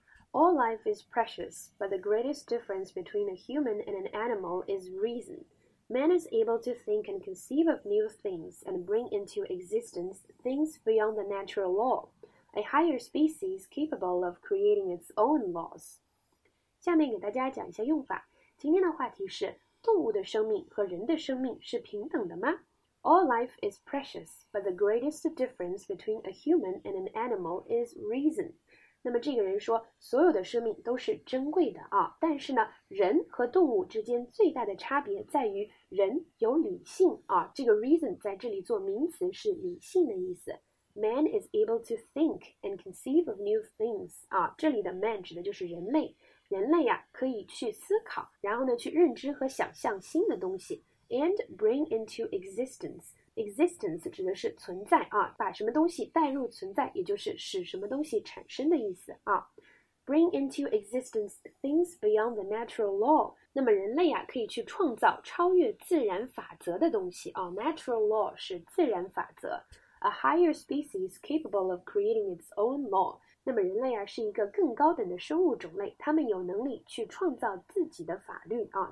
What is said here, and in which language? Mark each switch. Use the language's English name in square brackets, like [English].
[English] All life is precious, but the greatest difference between a human and an animal is reason. Man is able to think and conceive of new things and bring into existence things beyond the natural law, a higher species capable of creating its own laws. [Chinese] 下面给大家讲一下用法。今天的话题是动物的生命和人的生命是平等的吗？ [English] All life is precious, but the greatest difference between a human and an animal is reason. [Chinese] 那么这个人说所有的生命都是珍贵的啊，但是呢人和动物之间最大的差别在于人有理性啊。这个 reason 在这里做名词是理性的意思。 [English] Man is able to think and conceive of new things. [Chinese] 啊，这里的 man 指的就是人类。人类啊，可以去思考，然后呢，去认知和想象新的东西。 [English] And bring into existence. Existence [Chinese] 指的是存在啊，把什么东西带入存在，也就是使什么东西产生的意思啊。 [English] Bring into existence things beyond the natural law. [Chinese] 那么人类啊，可以去创造超越自然法则的东西啊。 [English] Natural law [Chinese] 是自然法则。 [English] A higher species capable of creating its own law. [Chinese] 那么人类啊是一个更高等的生物种类，他们有能力去创造自己的法律啊。